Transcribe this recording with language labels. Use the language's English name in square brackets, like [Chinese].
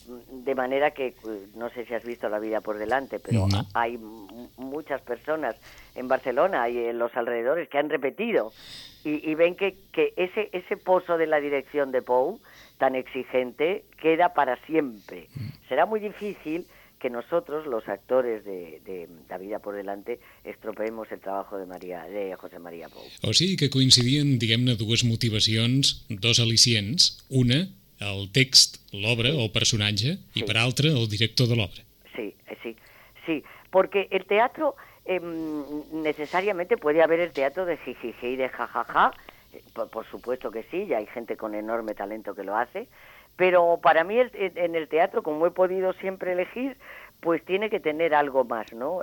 [Spanish] de manera que, no sé si has visto La vida por delante, pero hay muchas personas en Barcelona y en los alrededores que han repetido y ven que ese pozo de la dirección de Pou, tan exigente, queda para siempre. Será muy difícil que nosotros, los actores de La vida por delante, estropeemos el trabajo de José María Pou. [Catalan] O sigui que coincidien, diguem-ne, dues motivacions, dos al·licients. Una, el text, l'obra o personatge, i per altra, el director de l'obra. [Spanish] Sí, porque el teatro, necesariamente puede haber el teatro de jijijé y de jajaja, por supuesto que sí, y hay gente con enorme talento que lo hace, pero para mí en el teatro, como he podido siempre elegir, pues tiene que tener algo más, ¿no?